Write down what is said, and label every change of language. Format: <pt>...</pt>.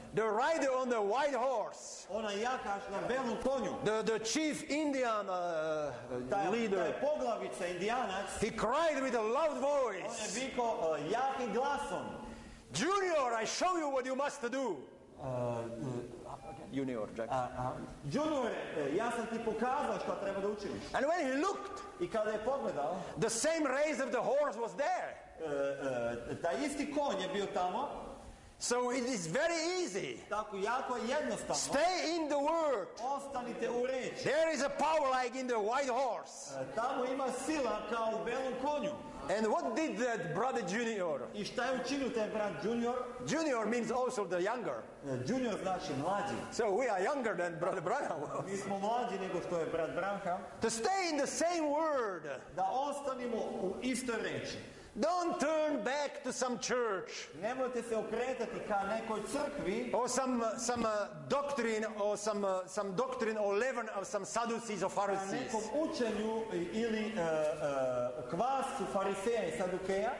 <en>The rider on the white horse.</en> <sr>Ona jakaš na belom konju.</sr> <en>The chief Indian leader.</en> <sr>Taj poglavica Indijanac.</sr> <en>He cried with a loud voice.</en> <sr>On je vikao jakim glasom.</sr> <en>Junior, I show you what you must do.</en> <sr>Junior, Jackson. Junior, ja sam ti pokazao šta treba da učiniš.</sr> <en>And when he looked,</en> <sr>i kada je pogledao,</sr> <en>the same race of the horse was there.</en> <sr>Taj isti konj je bio tamo.</sr> <en>So it is very easy.</en> <sr>Tako jako jednostavno.</sr> <en>Stay in the word.</en> <sr>Ostanite u reči.</sr> <en>There is a power like in the white horse.</en> <sr>Tamo ima sila kao u belom konju.</sr> <en>And what did that brother Junior?</en> <sr>I šta je učinio taj brat Junior?</sr> <en>Junior means also the younger.</en> <sr>Junior znači mlađi.</sr> <en>So we are younger than brother Branham.</en> <sr>Mi smo mlađi nego što je brat Branham.</sr> <en>To stay in the same word.</en> <sr>Da ostanimo u istoj reči.</sr> <en>Don't turn back to some church.</en> <sr>Nemojte se okretati ka nekoj crkvi.</sr> <en>Or some doctrine, or some doctrine or leaven of some Sadducees or Pharisees.</en> <sr>Ka nekom učenju ili kvasu fariseja i sadukeja.</sr>